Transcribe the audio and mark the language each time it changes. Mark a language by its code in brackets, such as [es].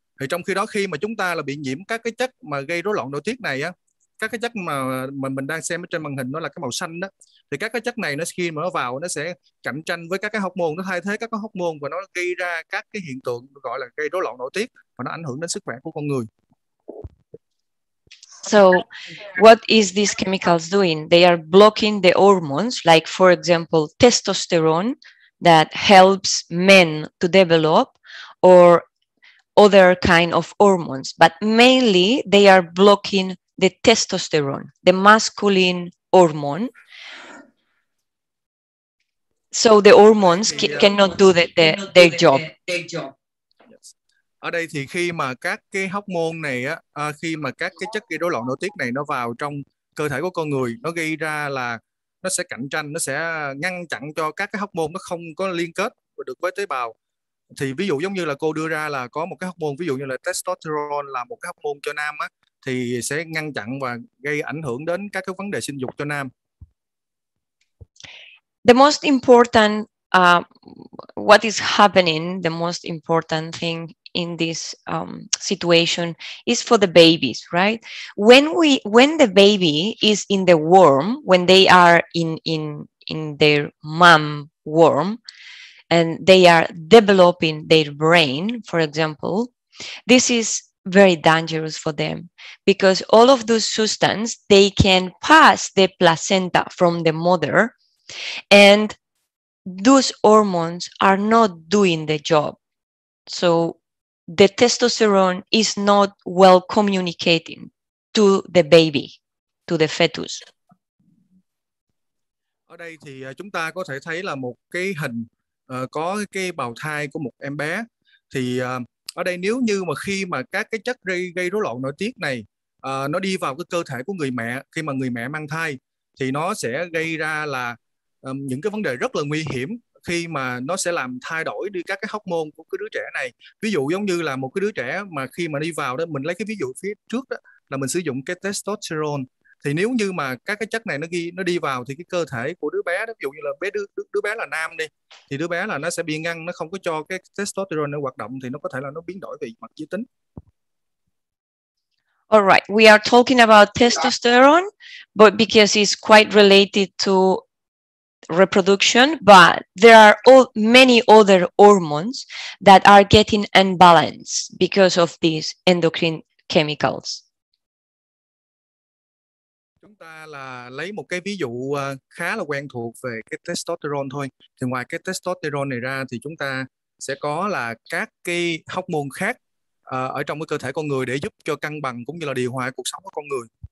[vi] Thì trong khi đó khi mà chúng ta là bị nhiễm các cái chất mà gây rối loạn nội tiết này á, các cái chất mà mình đang xem ở trên màn hình nó là cái màu xanh đó, thì các cái chất này nó khi mà nó vào nó sẽ cạnh tranh với các cái hormone, nó thay thế các cái hormone và nó gây ra các cái hiện tượng gọi là gây rối loạn nội tiết, và nó ảnh hưởng đến sức khỏe của con người. [en] So what is these chemicals doing? They are blocking the hormones, like for example testosterone that helps men to develop, or other kind of hormones, but mainly they are blocking the testosterone, the masculine hormone. So the hormones cannot do their job. [vi] Ở đây thì khi mà các cái hormone này á, khi mà các cái chất gây rối loạn nội tiết này nó vào trong cơ thể của con người, nó gây ra là nó sẽ cạnh tranh, nó sẽ ngăn chặn cho các cái hormone nó không có liên kết được với tế bào. Thì ví dụ giống như là cô đưa ra là có một cái hormone, ví dụ như là testosterone là một cái hormone cho nam á, thì sẽ ngăn chặn và gây ảnh hưởng đến các cái vấn đề sinh dục cho nam. [en] The most important what is happening, the most important thing in this situation is for the babies, right? When the baby is in the womb, when they are in their mom womb, and they are developing their brain, for example, this is very dangerous for them because all of those substances, they can pass the placenta from the mother, and those hormones are not doing the job. So the testosterone is not well communicating to the baby, to the fetus. [vi] Ở đây thì chúng ta có thể thấy là một cái hình có cái bào thai của một em bé. Thì ở đây nếu như mà khi mà các cái chất gây rối loạn nội tiết này nó đi vào cái cơ thể của người mẹ, khi mà người mẹ mang thai, thì nó sẽ gây ra là những cái vấn đề rất là nguy hiểm khi mà nó sẽ làm thay đổi đi các cái hormone của cái đứa trẻ này. Ví dụ giống như là một cái đứa trẻ mà khi mà đi vào đó, mình lấy cái ví dụ phía trước đó là mình sử dụng cái testosterone, thì nếu như mà các cái chất này nó đi vào thì cái cơ thể của đứa bé đó, ví dụ như là bé đứa bé là nam đi, thì đứa bé là nó sẽ bị ngăn, nó không có cho cái testosterone nó hoạt động, thì nó có thể là nó biến đổi về mặt giới tính. [en] All right, we are talking about testosterone, but because it's quite related to reproduction, but there are many other hormones that are getting imbalanced because of these endocrine chemicals. [vi] Chúng ta là lấy một cái ví dụ khá là quen thuộc về cái testosterone thôi. Thì ngoài cái testosterone này ra thì chúng ta sẽ có là các cái hormone khác ở trong cái cơ thể con người để giúp cho cân bằng cũng như là điều hòa cuộc sống của con người.